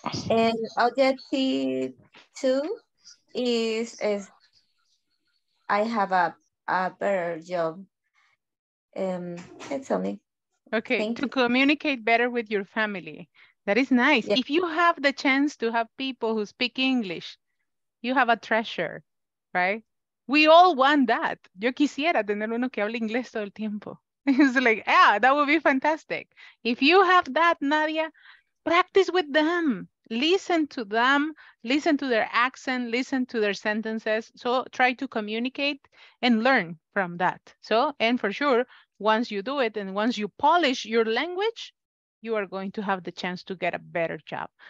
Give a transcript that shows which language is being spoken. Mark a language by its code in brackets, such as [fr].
[en] And objective two is I have a better job. That's only. Okay, Thank you. Communicate better with your family. That is nice. Yeah. If you have the chance to have people who speak English, you have a treasure, right? We all want that. [es] Yo quisiera tener uno que hable inglés todo el tiempo. [en] It's like, yeah, that would be fantastic. If you have that, Nadia, practice with them. Listen to them, listen to their accent, listen to their sentences. So try to communicate and learn from that. So, and for sure, once you do it and once you polish your language, you are going to have the chance to get a better job.